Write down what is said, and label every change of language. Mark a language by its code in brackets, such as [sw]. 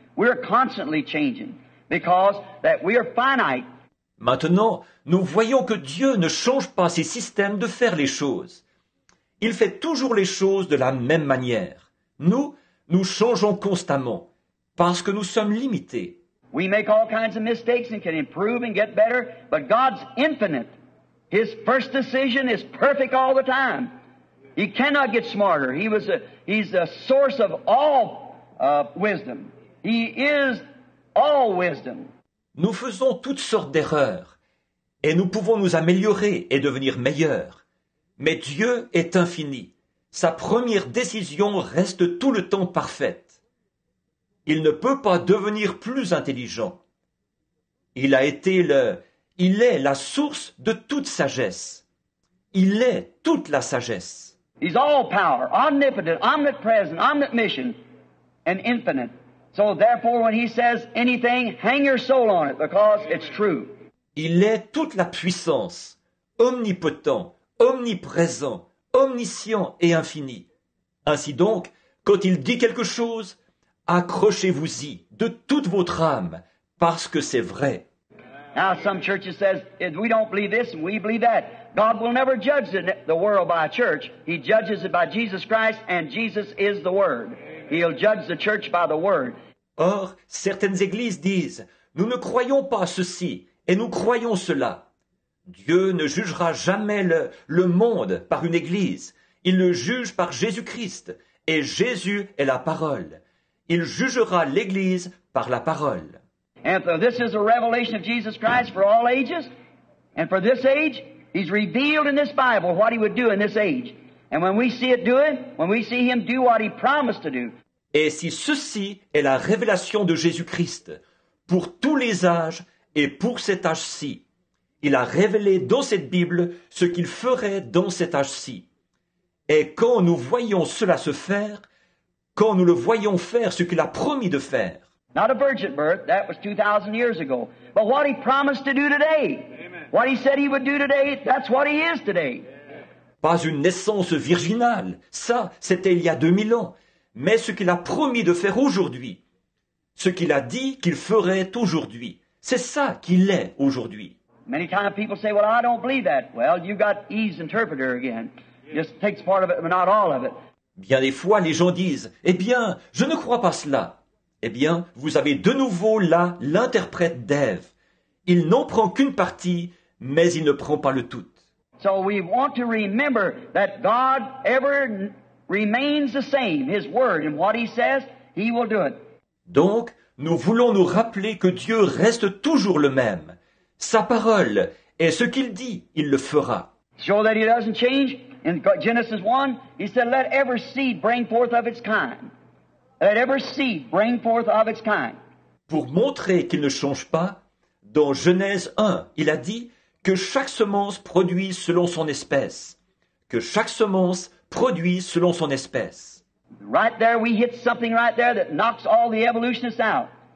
[en] We are constantly changing because that we are finite. [fr] Maintenant, nous voyons que Dieu ne change pas ses systèmes de faire les choses. Il fait toujours les choses de la même manière. Nous changeons constamment. Parce que nous sommes limités. [en] We make all kinds of mistakes and can improve and get better, but God's infinite. His first decision is perfect all the time. He cannot get smarter. He's the source of all wisdom. He is all wisdom. [fr] Nous faisons toutes sortes d'erreurs et nous pouvons nous améliorer et devenir meilleurs. Mais Dieu est infini. Sa première décision reste tout le temps parfaite. Il ne peut pas devenir plus intelligent. Il est la source de toute sagesse. Il est toute la sagesse. [en] He's all power, omnipotent, omnipresent, omniscient, and infinite. So therefore, when he says anything, hang your soul on it, because it's true. [fr] Il est toute la puissance, omnipotent, omniprésent, omniscient et infini. Ainsi donc, quand il dit quelque chose, accrochez-vous-y de toute votre âme, parce que c'est vrai. [en] Now some churches says if we don't believe this and we believe that, God will never judge the world by a church. He judges it by Jesus Christ, and Jesus is the Word. He'll judge the church by the Word. [fr] Or, certaines églises disent, nous ne croyons pas ceci et nous croyons cela. Dieu ne jugera jamais le monde par une église. Il le juge par Jésus-Christ, et Jésus est la Parole. Il jugera l'Église par la parole. [en] And so this is a revelation of Jesus Christ for all ages. And for this age, He's revealed in this Bible what He would do in this age. And when we see it do it, when we see Him do what He promised to do. [fr] Et si ceci est la révélation de Jésus-Christ pour tous les âges et pour cet âge-ci, il a révélé dans cette Bible ce qu'il ferait dans cet âge-ci. Et quand nous voyons cela se faire, quand nous le voyons faire ce qu'il a promis de faire. [en] Not a virgin birth, that was 2,000 years ago. But what He promised to do today. Amen. What He said He would do today, that's what He is today. [fr] Pas une naissance virginale, ça c'était il y a 2000 ans. Mais ce qu'il a promis de faire aujourd'hui. Ce qu'il a dit qu'il ferait aujourd'hui. C'est ça qu'il est aujourd'hui. [en] Many times people say, well I don't believe that. Well, you've got E's interpreter again. Just takes part of it, but not all of it. [fr] Bien des fois, les gens disent, eh bien, je ne crois pas cela. Eh bien, vous avez de nouveau là l'interprète d'Ève. Il n'en prend qu'une partie, mais il ne prend pas le tout. [en] So we want to remember that God ever remains the same, his word and what he says, he will do it. [fr] Donc, nous voulons nous rappeler que Dieu reste toujours le même. Sa parole est ce qu'il dit, il le fera. [en] So that he doesn't change. In Genesis 1, he said, let every seed bring forth of its kind. Let every seed bring forth of its kind. [fr] Pour montrer qu'il ne change pas, dans Genèse 1, il a dit que chaque semence produit selon son espèce. Que chaque semence produit selon son espèce. [en] Right there, we hit something right there that knocks all the evolutionists out.